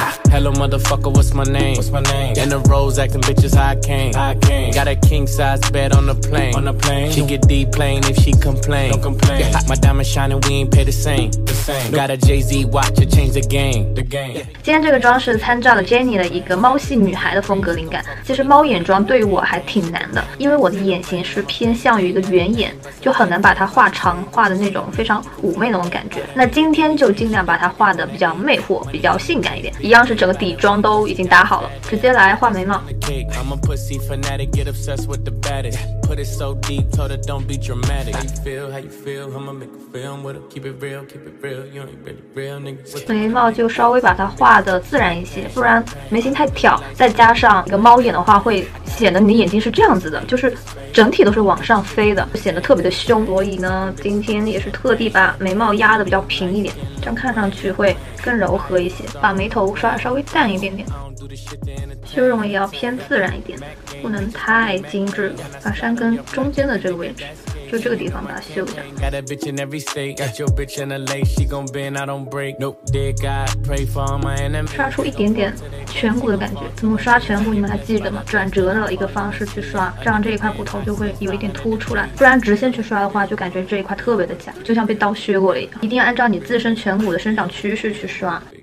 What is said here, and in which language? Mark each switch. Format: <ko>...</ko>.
<en>Hello, motherfucker, what's my name? What's my name? In the roads, acting bitches, how I came. How I came. Got a king size bed on the plane. On the plane. She get deep plane if she complain. Don't complain. Yeah, my diamond shining, we ain't pay the same. The same. Got a Jay-Z watch to change the game. The game.</en> <zh>今天这个妆是参照了 Jenny 的一个猫系女孩的风格灵感。其实猫眼妆对于我还挺难的，因为我的眼型是偏向于一个圆眼，就很难把它画长，画的那种非常妩媚那种感觉。那今天就尽量把它画的比较魅惑，比较性感一点，一样是整个底妆都已经打好了，直接来画眉毛。</zh> <en>I'm a pussy fanatic, get obsessed with the baddest. Put it so deep, told her don't be dramatic. How you feel? How you feel? I'ma make a film with her. Keep it real, keep it real. You ain't really real, nigga.</en> <zh>眉毛就稍微把它画的自然一些，不然眉形太挑，再加上一个猫眼的话，会显得你的眼睛是这样子的，就是整体都是往上飞的，显得特别的凶。所以呢，今天也是特地把眉毛压的比较平一点，这样看上去会更柔和一些。把眉头刷稍微淡一点点。修容也要偏自然一点，不能太精致，把山根中间的这个位置，就这个地方把它修一下。</zh> <en>Got a bitch in every state, got your bitch in the lake, she gon' bend, I don't break, nope, dear God, pray for my enemy.</en> <zh>刷出一点点颧骨的感觉，怎么刷颧骨你们还记得吗？转折的一个方式去刷，这样这一块骨头就会有一点凸出来，不然直线去刷的话，就感觉这一块特别的假，就像被刀削过了一样。一定要按照你自身颧骨的生长趋势去刷。</zh>